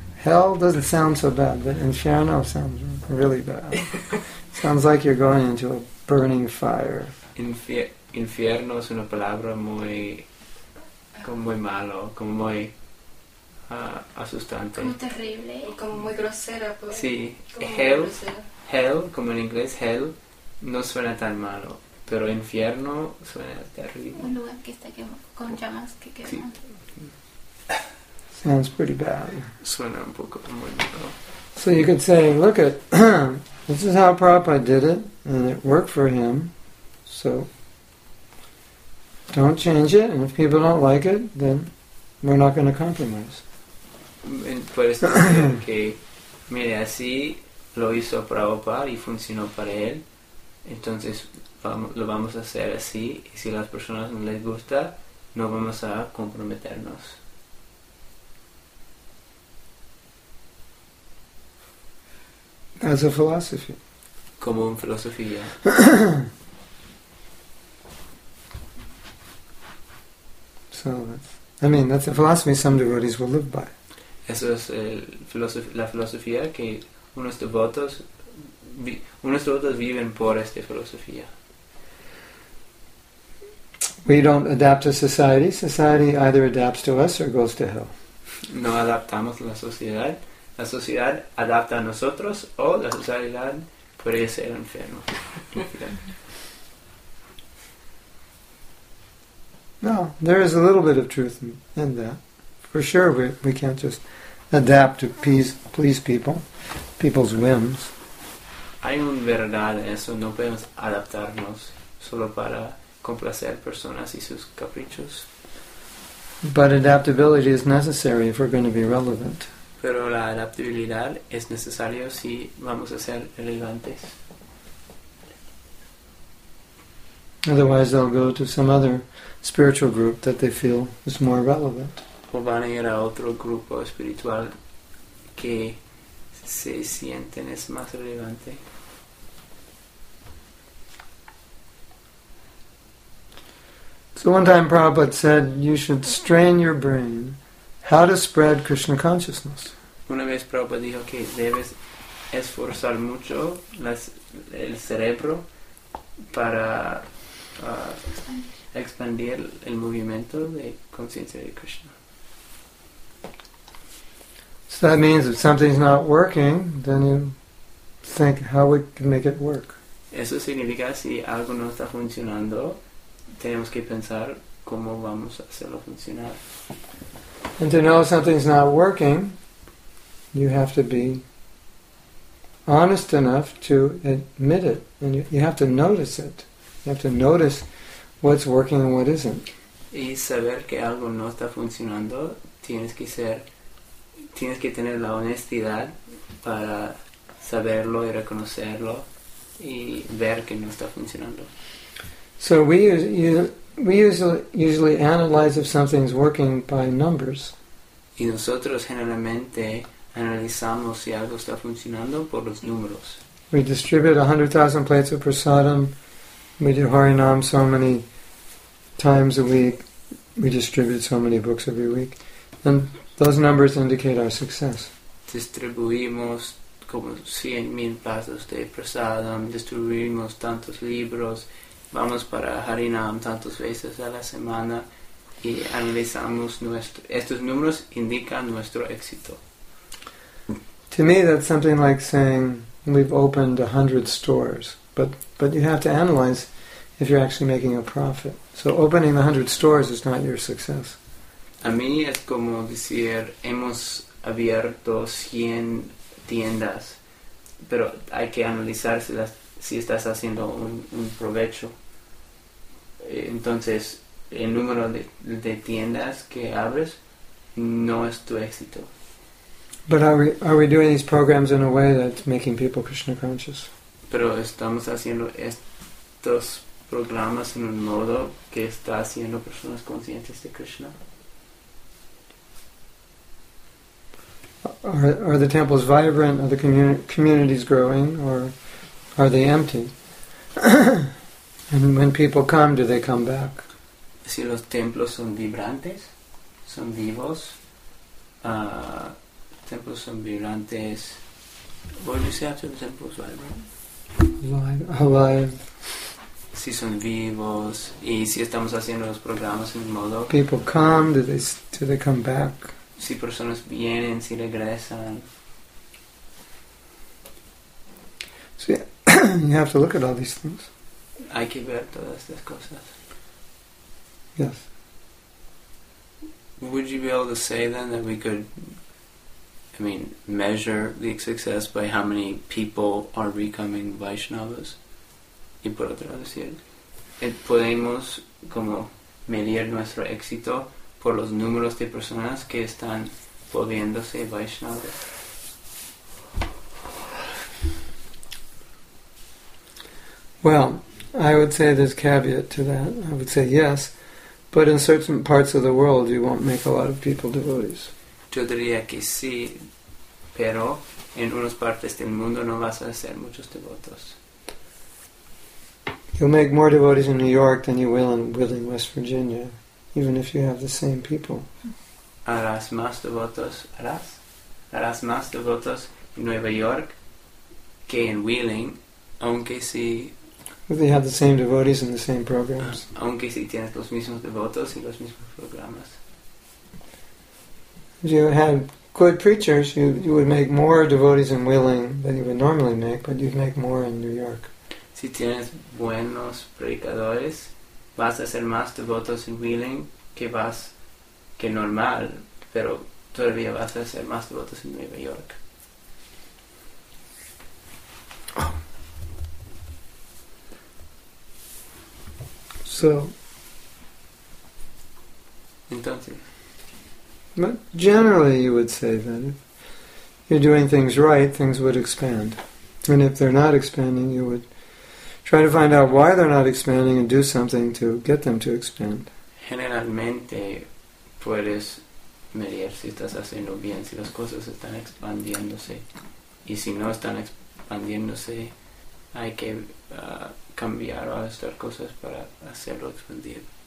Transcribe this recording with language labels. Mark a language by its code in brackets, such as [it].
[en] Hell doesn't sound so bad, but inferno sounds really bad. Sounds like you're going into a burning fire. [es] Infierno es una palabra muy malo, como muy asustante. Como terrible, como muy grosera. Sí, hell, como en inglés, hell, no suena tan malo, pero infierno suena terrible. Un lugar que está con llamas que queman. [en] Sí. Sounds pretty bad. [es] Suena un poco muy malo. [en] So you could say, look at, this is how Prabhupada did it, and it worked for him. So, don't change it, and if people don't like it, then we're not going to compromise. [es] Puedes decir que, mire, así lo hizo Prabhupada y funcionó para él, entonces lo vamos a hacer así, y si a las personas no les gusta, no vamos a comprometernos. [en] As a philosophy. [es] Como una filosofía. [en] So that's a philosophy some devotees will live by. [es] Eso es la filosofía que unos devotos viven por esta filosofía. [en] We don't adapt to society. Society either adapts to us or goes to hell. [es] No adaptamos a la sociedad. La sociedad adapta a nosotros o la sociedad puede ser enfermo. [en] No, there is a little bit of truth in that. For sure, we can't just adapt to please people's whims. [es] Hay una verdad en eso. No podemos adaptarnos solo para complacer personas y sus caprichos. [en] But adaptability is necessary if we're going to be relevant. [es] Pero la adaptabilidad es necesaria si vamos a ser relevantes. [en] Otherwise, they'll go to some other spiritual group that they feel is more relevant. [es] O van a ir a otro grupo espiritual que se sienten es más relevante. [en] So one time Prabhupada said, you should strain your brain how to spread Krishna consciousness. [es] Una vez Prabhupada dijo que debes esforzar mucho el cerebro para expandir el movimiento de conciencia de Krishna. [en] So that means if something's not working, then you think how we can make it work. [es] Eso significa si algo no está funcionando, tenemos que pensar cómo vamos a hacerlo funcionar. [en] And to know something's not working, you have to be honest enough to admit it, and you have to notice it. You have to notice what's working and what isn't. [es] Y saber que algo no está funcionando, tienes que tener la honestidad para saberlo y reconocerlo y ver que no está funcionando. [en] So we usually analyze if something's working by numbers. [es] Y nosotros generalmente analizamos si algo está funcionando por los números. [en] We distribute 100,000 plates of prasadam. We do Harinam so many times a week. We distribute so many books every week. And those numbers indicate our success. [es] Distribuimos como 100,000 pasos de prasadam, distribuimos tantos libros, vamos para Harinam tantas veces a la semana y analizamos nuestro, estos números indican nuestro éxito. [en] To me, that's something like saying we've opened 100 stores, but you have to analyze if you're actually making a profit. So opening 100 stores is not your success. [es] A mí es como decir hemos abierto 100 tiendas, pero hay que analizar si, las, si estás haciendo un provecho. Entonces, el número de tiendas que abres no es tu éxito. [en] But are we doing these programs in a way that's making people Krishna conscious? [es] Pero estamos haciendo estos programas en un modo que está haciendo personas conscientes de Krishna. [en] Are the temples vibrant? Are the communities growing, or are they empty? And when people come, do they come back? [es] Si los templos son vibrantes, son vivos. Templos son vibrantes. [en] What do you say after the temples vibrant? Alive. [es] Si son vivos y si estamos haciendo los programas en el modo. [en] People come. Do they come back? [es] Si personas vienen, si regresan. [en] So you have to look at all these things. [es] Hay que ver todas estas cosas. [en] Yes. Would you be able to say then that we could, I mean, measure the success by how many people are becoming Vaishnavas? [es] Y puedo traducir. Podemos como medir nuestro éxito por los números de personas que están volviéndose Vaishnavas. [en] Well, I would say there's caveat to that. I would say yes, but in certain parts of the world you won't make a lot of people devotees. [es] Yo diría que sí, pero en unas partes del mundo no vas a hacer muchos devotos. [en] You'll make more devotees in New York than you will in Wheeling, West Virginia, even if you have the same people. [es] Harás más devotos en Nueva York que en Wheeling, aunque si... [en] If you have the same devotees and the same programs. [es] Aunque si tienes los mismos devotos y los mismos programas. [en] If you had good preachers, you would make more devotees in Wheeling than you would normally make, but you'd make more in New York. [es] Si tienes buenos predicadores, vas a hacer más devotos en Wheeling que normal, pero todavía vas a hacer más devotos en Nueva York. [en] So, [es] entonces, [en] but generally you would say that if you're doing things right, things would expand. And if they're not expanding, you would try to find out why they're not expanding and do something to get them to expand. [es] Generalmente puedes medir si estás haciendo bien, si las cosas están expandiéndose. Y si no están expandiéndose, hay que cambiar o hacer cosas para hacerlo expandir.